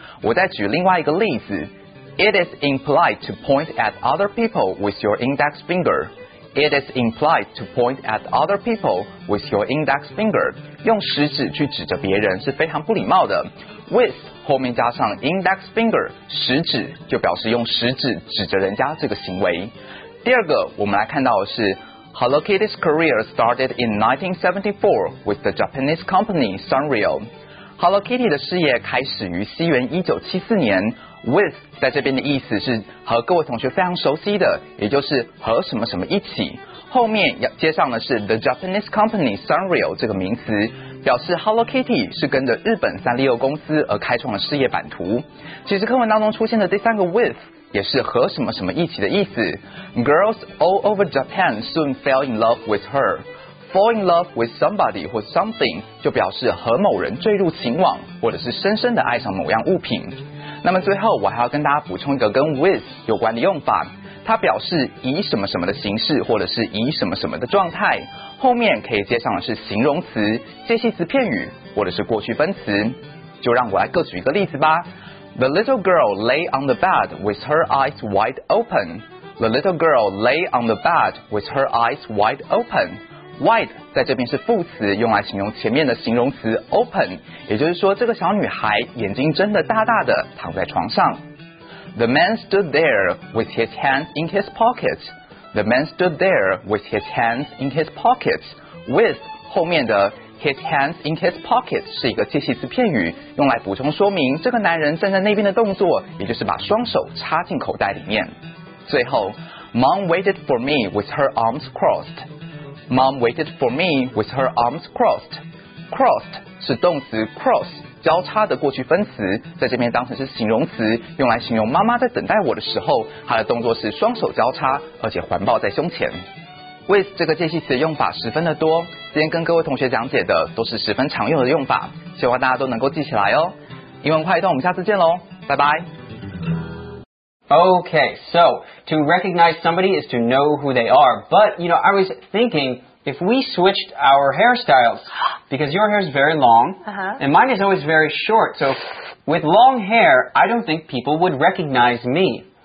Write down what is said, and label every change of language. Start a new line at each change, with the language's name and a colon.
Chinese: 我再举另外一个例子，
English: It is impolite to point at other people with your index finger. It is impolite to point at other people with your index finger.
Chinese: 用食指去指着别人是非常不礼貌的。 With 后面加上 index finger 食指，就表示用食指指着人家这个行为。第二个我们来看到的是
English: Hello Kitty's career started in 1974 with the Japanese company Sanrio.
Chinese: Hello Kitty 的事业开始于西元1974年， with 在这边的意思是和各位同学非常熟悉的，也就是和什么什么一起，后面接上的是
English: the Japanese company Sanrio
Chinese: 这个名词，表示 Hello Kitty 是跟着日本三丽鸥公司而开创了事业版图。其实课文当中出现的第三个 with也是和什么什么一起的意思。
English: Girls all over Japan soon fell in love with her. Fall in love with somebody or something
Chinese: 就表示和某人坠入情网，或者是深深的爱上某样物品。那么最后我还要跟大家补充一个跟 with 有关的用法，它表示以什么什么的形式，或者是以什么什么的状态，后面可以接上的是形容词、介系词片语，或者是过去分词。就让我来各举一个例子吧。
English: The little girl lay on the bed with her eyes wide open. The little girl lay on the bed with her eyes wide open.
Chinese: Wide 在这边是副词，用来形容前面的形容词 open， 也就是说这个小女孩眼睛睁得大大的躺在床上。
English: The man stood there with his hands in his pockets. The man stood there with his hands in his pockets.
Chinese: With 后面的
English: His hands in his pockets
Chinese: 是一个介系词片语，用来补充说明这个男人站在那边的动作，也就是把双手插进口袋里面。
English: 最后 ，Mom waited for me with her arms crossed. Mom waited for me with her arms crossed.
Chinese: Crossed 是动词 cross 交叉的过去分词，在这边当成是形容词，用来形容妈妈在等待我的时候，她的动作是双手交叉，而且环抱在胸前。 With 这个介系词的用法十分的多，今天跟各位同学讲解的都是十分常用的用法，希望大家都能够记起来哦。英文快译通，我们下次见咯，拜拜。
English: Okay, so to recognize somebody is to know who they are. But, you know, I was thinking if we switched our hairstyles, because your hair is very long, uh-huh. and mine is always very short. So with long hair, I don't think people would recognize me.